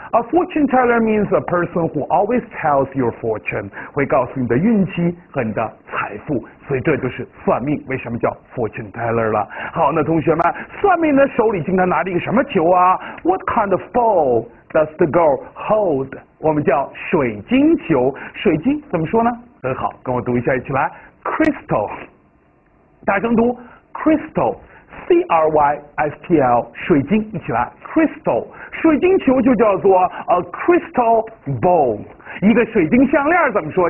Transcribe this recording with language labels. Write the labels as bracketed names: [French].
[English] A fortune teller means a person who always tells your fortune. [Chinese] 会告诉你的运气和你的财富。所以这就是算命为什么叫 fortune teller 了。好，那同学们，算命的手里经常拿着一个什么球啊？ [English] What kind of ball does the girl hold? [Chinese] 我们叫水晶球。水晶怎么说呢？很好，跟我读一下，一起来。 Crystal. 大声读 crystal. C-R-Y-S-T-L 水晶，一起来 crystal 水晶球就叫做 [English] a crystal ball， [Chinese] 一个水晶项链怎么说？